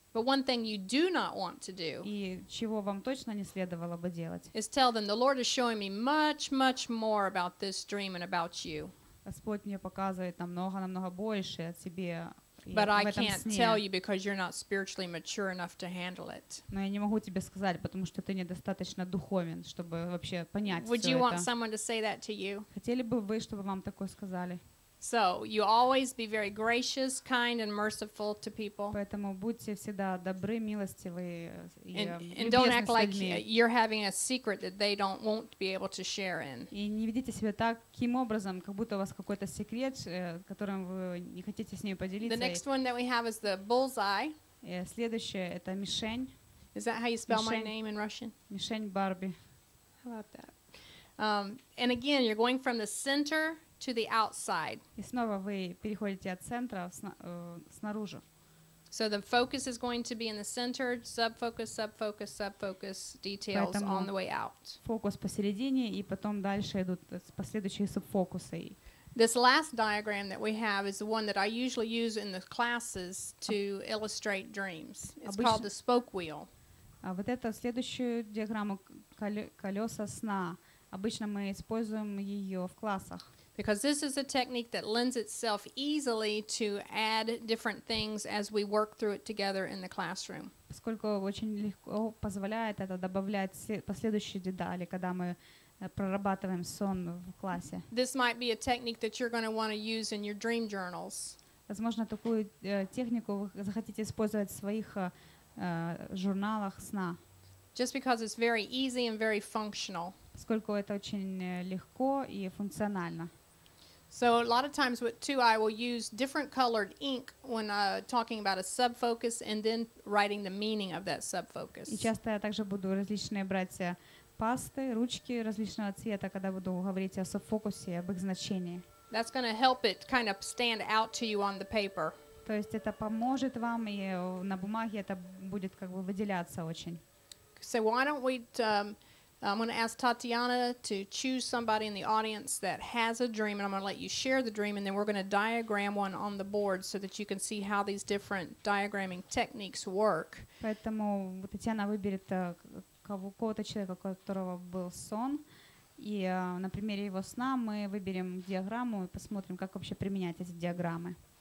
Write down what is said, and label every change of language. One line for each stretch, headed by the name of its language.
English: But one thing you do not want to do.
Russian: И чего вам точно не следовало бы делать.
English: Is tell them, the Lord is showing me much, much more about this dream and about you.
Russian: Господь мне показывает намного, намного больше о тебе.
English: But I can't tell you because you're not spiritually mature enough to handle it.
Russian: Но я не могу тебе сказать, потому что ты недостаточно духовен, чтобы вообще понять всё это.
English: Would you want someone to say that to you?
Russian: Хотели бы вы, чтобы вам такое сказали?
English: So you always be very gracious, kind, and merciful to people.
Russian: Поэтому будьте всегда добры, милостивы и любезны.
English: And don't act like you're having a secret that they won't be able to share in.
Russian: И не ведите себя таким образом, как будто у вас какой-то секрет, которым вы не хотите с ними поделиться.
English: The next one that we have is the bullseye.
Russian: Следующее это мишень.
English: Is that how you spell my name in Russian?
Russian: Мишень Барби.
English: How about that? And again, you're going from the center to the outside.
Russian: И снова вы переходите от центра снаружи.
English: So the focus is going to be in the center, subfocus, details
Russian: поэтому
English: on the way out.
Russian: Фокус посередине и потом дальше идут последующие субфокусы.
English: This last diagram that we have is the one that I usually use in the classes to illustrate dreams. It's called the spoke wheel.
Russian: А вот эту следующую диаграмму колеса сна обычно мы используем ее в классах.
English: Because this is a technique that lends itself easily to add different things as we work through it together in the classroom.
Russian: Поскольку очень легко позволяет это добавлять последующие детали, когда мы прорабатываем сон в классе.
English: This might be a technique that you're going to want to use in your dream journals.
Russian: Возможно, такую технику вы захотите использовать в своих журналах сна.
English: Just because it's very easy and very functional.
Russian: Поскольку это очень легко и функционально.
English: So a lot of times with two, I will use different colored ink when talking about a subfocus and then writing the meaning of that subfocus.
Russian: И часто я также буду различные брать пасты, ручки различного цвета, когда буду говорить о субфокусе, об их значении.
English: That's going to help it kind of stand out to you on the paper.
Russian: То есть это поможет вам, и на бумаге это будет как бы выделяться очень.
English: So why don't we... I'm going to ask Tatiana to choose somebody in the audience that has a dream, and I'm going to let you share the dream, and then we're going to diagram one on the board so that you can see how these different diagramming techniques work.
Russian: Поэтому Татьяна выберет кого-то человека, у которого был сон, и на примере его сна мы выберем диаграмму и посмотрим, как вообще применять эти диаграммы.